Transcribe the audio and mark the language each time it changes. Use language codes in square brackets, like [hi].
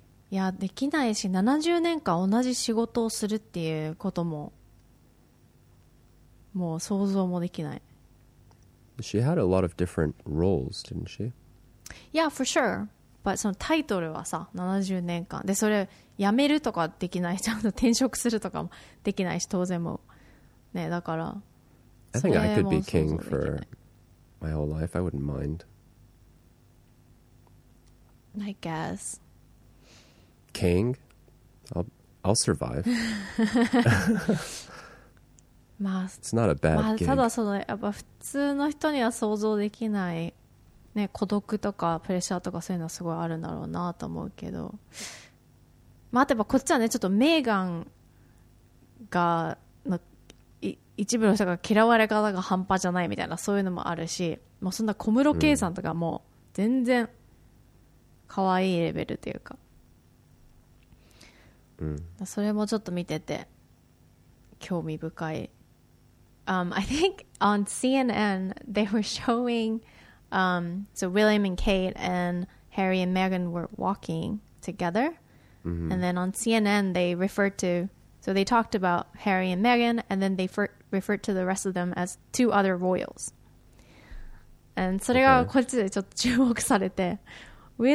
[ja] いや、できないし、70年間同じ仕事をするっていうことも、もう想像もできない。 [en] She had a lot of different roles, didn't she? Yeah, for sure. But、 [ja] そのタイトルはさ70年間でそれ辞めるとかできないちゃんと転職するとかもできないし当然もねだから [en] I think I could be king for my whole life I wouldn't mind I guess King? I'll survive [ja] まあ [en] It's not a bad gig、 [ja] まあ、ただそのやっぱ普通の人には想像できないね、孤独とかプレッシャーとかそういうのはすごいあるんだろうなと思うけど、まあ、例えばこっちはねちょっとメーガンが、まあ、一部の人が嫌われ方が半端じゃないみたいなそういうのもあるし、まあ、そんな小室圭さんとかも全然可愛いレベルというか、うん、それもちょっと見てて興味深い、 [en] I think on CNN they were showingSo William and Kate and Harry and Meghan were walking together、 mm-hmm. and then on CNN they referred to so they talked about Harry and Meghan and then they referred to the rest of them as two other royals and [ja] それがこっちでちょっと注目されて、 [en] okay.